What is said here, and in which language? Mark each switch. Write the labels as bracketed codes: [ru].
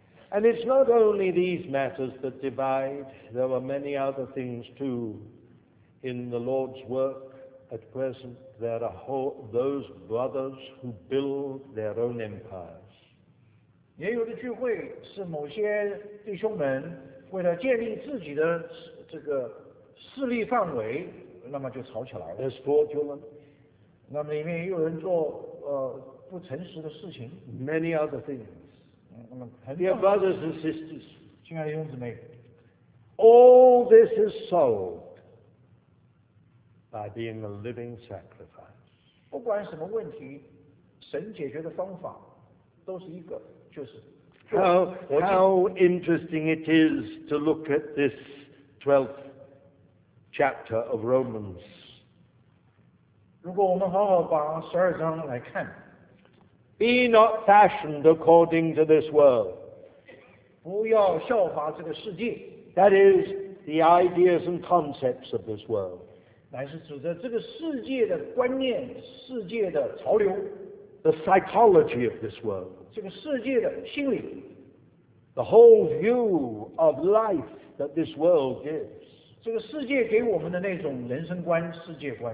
[en] And it's not only these matters that divide, there are many other things too. In the Lord's work at present, there are those brothers who build their own empire. [zh] 也有的聚会是某些弟兄们为了建立自己的这个势力范围，那么就吵起来了。 [en] As fraudulent. [zh] 那么里面也有人做不诚实的事情。 [en] Many other things. [zh] 那么 [en] Dear brothers and sisters. [zh] 亲爱的弟兄姊妹。 [en] All this is solved by being a living sacrifice. [zh] 不管什么问题，神解决的方法都是一个。 [en] How interesting it is to look at this 12th chapter of Romans. [zh] 如果我们好好把十二章来看 [en] Be not fashioned according to this world. [zh] 不要效法这个世界 [en] That is the ideas and concepts of this world. [zh] 乃是指着这个世界的观念世界的潮流 [en] The psychology of this world. [zh] 这个世界的心理 [en] The whole view of life that this world gives. [zh] 这个世界给我们的那种人生观、世界观